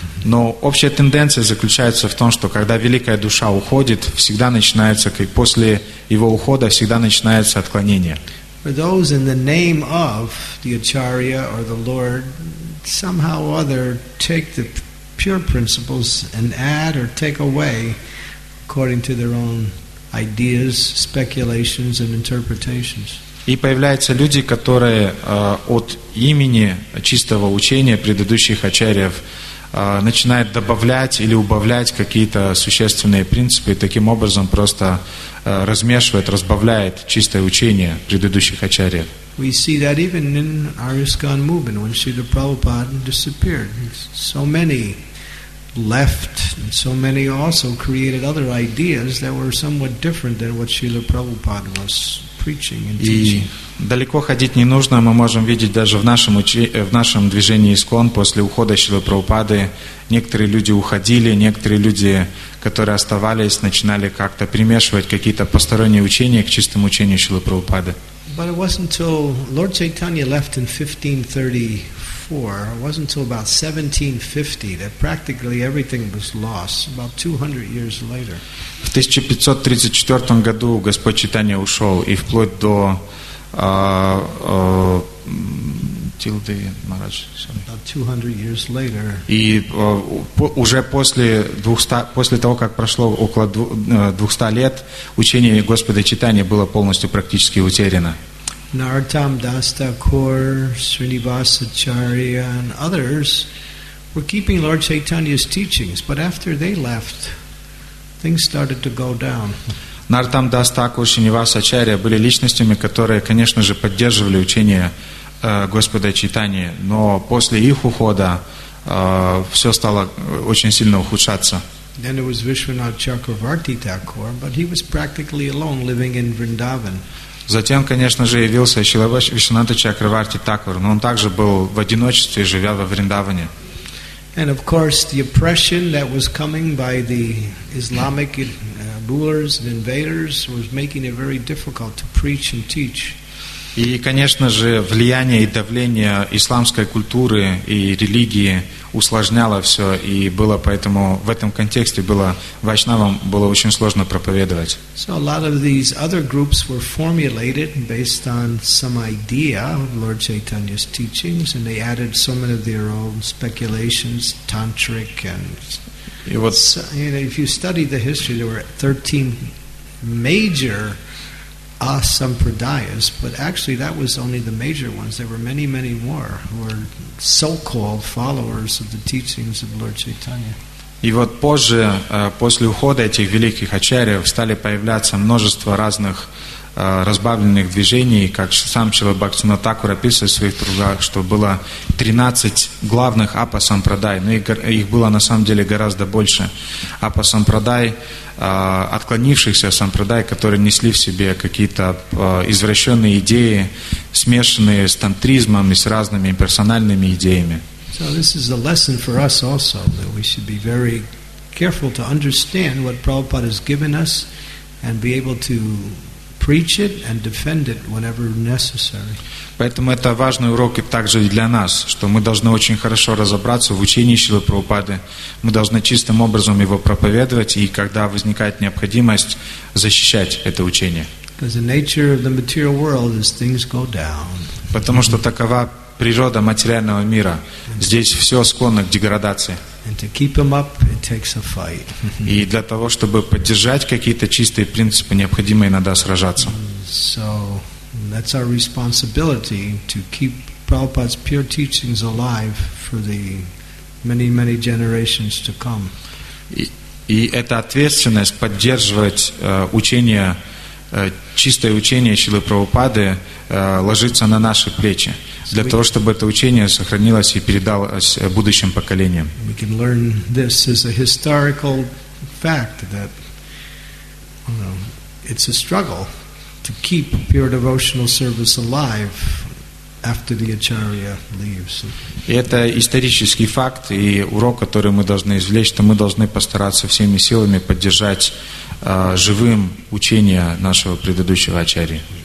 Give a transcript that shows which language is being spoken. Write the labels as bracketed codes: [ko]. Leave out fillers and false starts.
[ru] Но общая тенденция заключается в том, что когда великая душа уходит, всегда начинается, как после его ухода, всегда начинается отклонение. [en] For those in the name of the Acharya or the Lord, somehow or other, take the pure principles and add or take away according to their own ideas, speculations and interpretations. [ru] И появляются люди, которые от имени чистого учения предыдущих ачарьев начинают добавлять или убавлять какие-то существенные принципы, таким образом просто размешивает, разбавляет чистое учение предыдущих ачарьев. [en] We see that even in our ISKCON movement when Srila Prabhupada disappeared. So many left, and so many also created other ideas that were somewhat different than what Srila Prabhupada was preaching and teaching. [ru] И далеко ходить не нужно, мы можем видеть даже в нашем движении ИСКОН после ухода Шрилы Прабхупады некоторые люди уходили, некоторые люди, которые оставались, начинали как-то примешивать какие-то посторонние учения к чистому учению Шрилы Прабхупады. [en] But it wasn't until Lord Chaitanya left in 1534, it wasn't until about 1750 that practically everything was lost, about 200 years later. [ru] В 1534 году Господь Чайтанья ушел, и вплоть до Тилды Мараджи. [en] About 200 years later. [ru] И уже после 200, после того, как прошло около 200 лет, учение Господа Чайтанья было полностью практически утеряно. [en] Narottam Das Thakur, Srinivasacharya, and others were keeping Lord Chaitanya's teachings, but after they left, things started to go down. [ru] Нартам Дас Такур и Шринивас Ачарья были личностями, которые, конечно же, поддерживали учение Господа Чайтаньи, но после их ухода все стало очень сильно ухудшаться. [en] Then there was Vishwanath Chakravarti Thakur, but he was practically alone living in Vrindavan. [ru] Затем, конечно же, явился Шрила Вишванатха Чакраварти Такур, но он также был в одиночестве, живя во Вриндаване. [en] And of course, the oppression that was coming by the Islamic rulers and invaders was making it very difficult to preach and teach. [ru] И, конечно же, влияние и давление исламской культуры и религии усложняло все, и было поэтому в этом контексте было вайшнавам было очень сложно проповедовать. [en] So a lot of these other groups were formulated based on some idea of Lord Chaitanya's teachings, and they added so many of their own speculations, tantric, and if you study the history, there were 13 major Asampradayas, but actually that was only the major ones. There were many, many more who were so-called followers of the teachings of Lord Chaitanya. [ru] И вот позже, после ухода этих великих ачарьев, стали появляться множество разных разбавленных движений, как сам Шрила Бхактивинода Тхакур описывает в своих трудах, что было 13 главных апа-сампрадай, но их было на самом деле гораздо больше. Апа-сампрадай, отклонившихся сампрадай, которые несли в себе какие-то извращенные идеи, смешанные с тантризмом и с разными персональными идеями. [en] So this is a lesson for us also, that we should be very careful to understand what Prabhupada has given us and be able to preach it and defend it whenever necessary. [ru] Поэтому это важный урок и также для нас, что мы должны очень хорошо разобраться в учении Шрилы Прабхупады. Мы должны чистым образом его проповедовать и когда возникает необходимость защищать это учение. [en] Because the nature of the material world is things go down. [ru] Потому что такова природа материального мира. Здесь все склонно к деградации. [en] And to keep them up, it takes a fight. [ru] И для того, чтобы поддержать какие-то чистые принципы, необходимо иногда сражаться. [en] So that's our responsibility to keep Prabhupada's pure teachings alive for the many, many generations to come. [ru] И это ответственность поддерживать учение, чистое учение Шрилы Прабхупады ложится на наши плечи для того, чтобы это учение сохранилось и передалось будущим поколениям. [en] We can learn this as a historical fact that it's a struggle to keep pure devotional service alive after the acharya leaves. [ru] И это исторический факт и урок, который мы должны извлечь, что мы должны постараться всеми силами поддержать живым учение нашего предыдущего ачарьи.